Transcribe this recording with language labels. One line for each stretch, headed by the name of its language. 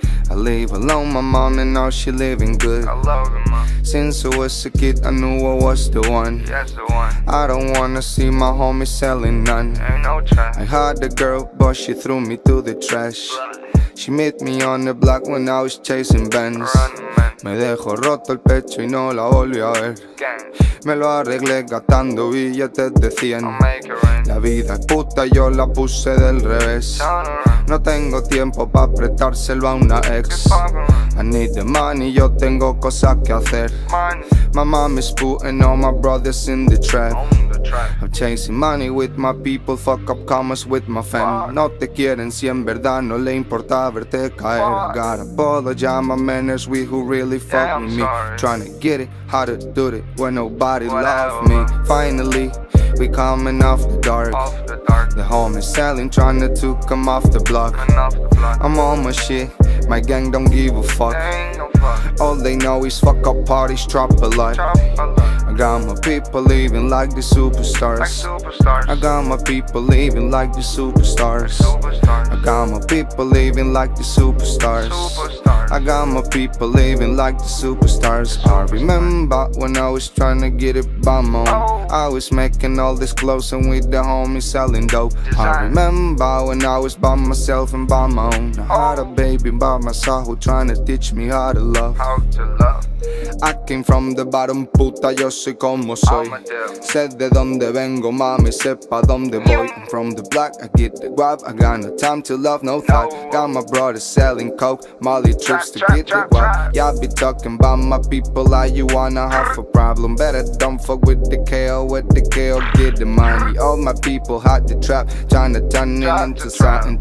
English: I live alone, my mom, and now she living good. I love her, mom. Since I was a kid, I knew I was the one. Yes, the one. I don't wanna see my homies selling none. Ain't no trash. I had a girl, but she threw me to the trash. She met me on the block when I was chasing Benz.
Spanish: Me dejo roto el pecho y no la volví a ver. Me lo arreglé gastando billetes de 100. La vida es puta, yo la puse del revés. No tengo tiempo pa' prestárselo a una ex.
English: I need the money,
Spanish: yo tengo cosas que hacer.
English: My mom is putting all my brothers in the trap. I'm chasing money with my people, fuck up commas with my fam.
Spanish: No te quieren si en verdad no le importa verte caer.
English: I got a bottle of jam, my man is we who really fuck yeah, with I'm me sorry. Trying to get it, how to do it when nobody love me. Finally, we coming off the dark. The homies selling, trying to come off the block. I'm on my shit, my gang don't give a fuck. All they know is fuck up parties, drop a lot. I got my people living like the superstars. I got my people living like the superstars. I got my people living like the superstars. I got my people living like the superstars. I remember when I was trying to get it by my own. I was making all this clothes and with the homies selling dope. I remember when I was by myself and by my own. I had a baby by my side who trying to teach me how to love. How to love. I came from the bottom,
Spanish: puta, yo soy como soy. Sé de donde vengo, mami, sepa donde voy.
English: I'm from the block, I get the guap. I got no time to love, no thought. Got my brother selling coke, Molly trips to get the guap. Yeah, I be talking about my people, like you wanna have a problem. Better don't fuck with the KO, with the KO, get the money. All my people hot the trap, tryna turn it into something.